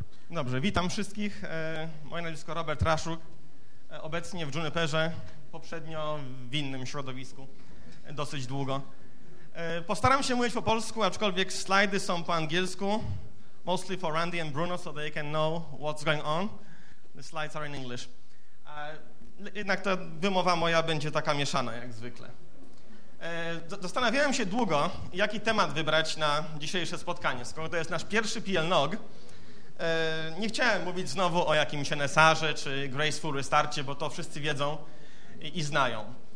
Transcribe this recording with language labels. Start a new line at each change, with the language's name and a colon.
Polish: Dobrze, witam wszystkich. Moje nazwisko Robert Raszuk. Obecnie w Juniperze, poprzednio w innym środowisku. Dosyć długo. Postaram się mówić po polsku, aczkolwiek slajdy są po angielsku.
English: Mostly for Randy and Bruno, so they can know what's going on. The slides are in English.
Polish: Jednak ta wymowa moja będzie taka mieszana, jak zwykle. Zastanawiałem się długo, jaki temat wybrać na dzisiejsze spotkanie. Skoro to jest nasz pierwszy PLNOG, nie chciałem mówić znowu o jakimś NSR-ze czy Graceful Restarcie, bo to wszyscy wiedzą i znają.